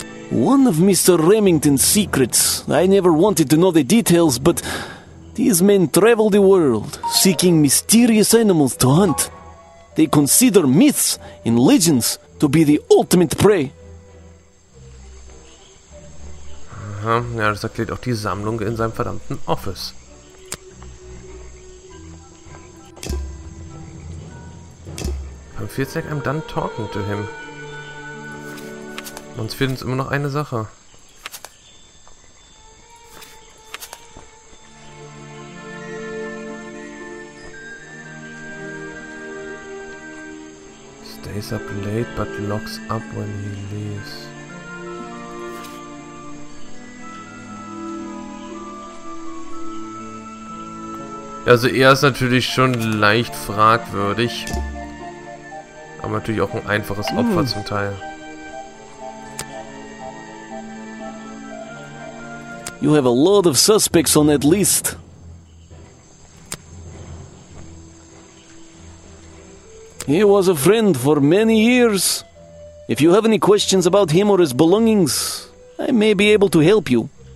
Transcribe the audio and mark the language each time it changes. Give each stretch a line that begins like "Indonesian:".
English: One of Mr. Remington's secrets. I never wanted to know the details, but These men travel the world, seeking mysterious animals to hunt. They consider myths and legends to be the ultimate prey.
German: Ja, das erklärt auch die Sammlung in seinem verdammten Office. Dann fehlt es
English: like I'm done talking to him.
German: Uns fehlt uns immer noch eine Sache.
English: Stays up late but locks up when he leaves.
German: Also er ist natürlich schon leicht fragwürdig. Aber natürlich auch ein einfaches Opfer zum Teil.
English: You have a lot of suspects on that list. He was a friend for many years. If you have any questions about him or his belongings, I may be able to help you.